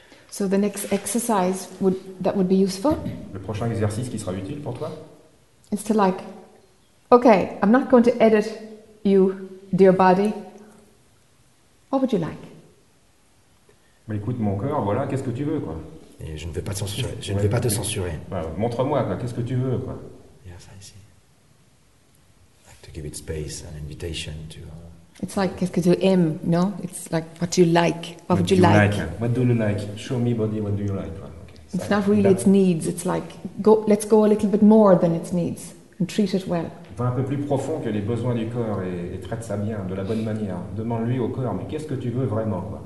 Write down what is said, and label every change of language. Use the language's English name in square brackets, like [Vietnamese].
[English] So the next exercise would that would be useful? [French] Le prochain exercice qui sera utile pour toi? [English] It's to like, okay, I'm not going to edit you, dear body. What would you like? [French] Mais écoute mon cœur, voilà, qu'est-ce que tu veux quoi? Et je ne vais pas te censurer. Je ne vais pas te censurer. Bah, montre-moi quoi, qu'est-ce que tu veux quoi? [English] Yes, I see. Like to give it space, an invitation to. It's like, [French] qu'est-ce que tu aimes, [English] no? It's like, what do you like? What would you like? What do you like? Show me, body, what do you like? Okay. It's not really its needs. It's like, let's go a little bit more than its needs and treat it well. [French] Va un peu plus profond que les besoins du corps et traite ça bien, de la bonne manière. Demande-lui au corps, mais qu'est-ce que tu veux vraiment, quoi?